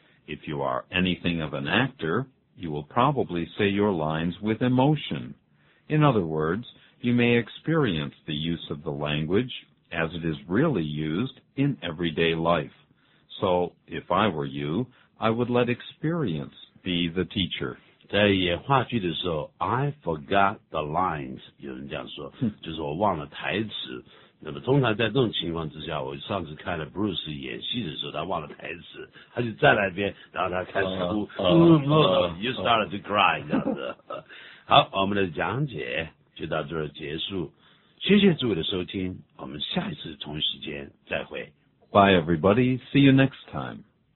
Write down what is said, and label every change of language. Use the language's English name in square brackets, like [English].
[English] If you are anything of an actor, you will probably say your lines with emotion. In other words, you may experience the use of the language as it is really used in everyday life. So, if I were you, I would let experience be the teacher. [Chinese] 在演话剧的时候 ， [English] I forgot the lines， [Chinese] 有人这样说，就是我忘了台词。那么通常在这种情况之下，我上次看了 Bruce 演戏的时候，他忘了台词，他就站在那边，然后他开始哭 ， [English] You started to cry [Chinese] 这样子。好，我们的讲解就到这儿结束，谢谢诸位的收听，我们下一次同一时间再会。 [English] Bye everybody, see you next time.